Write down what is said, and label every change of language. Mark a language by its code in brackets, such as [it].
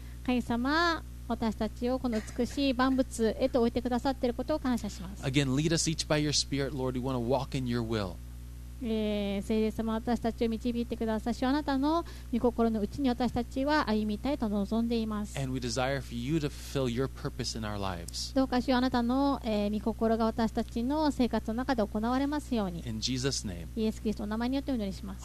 [ja] 神様、私たちをこの美しい万物へと置いてくださっていることを感謝します。 [en] Again, lead us each by your spirit, Lord. We want to walk in your will. [ja] 聖霊様、私たちを導いてくださし、あなたの御心のうちに私たちは歩みたいと望んでいます。 [en] And we desire for you to fulfill your purpose in our lives. [ja] どうかしよう、あなたの、御心が私たちの生活の中で行われますように。 [en] In Jesus' name. [ja] イエスキリストの名前によってお祈りします。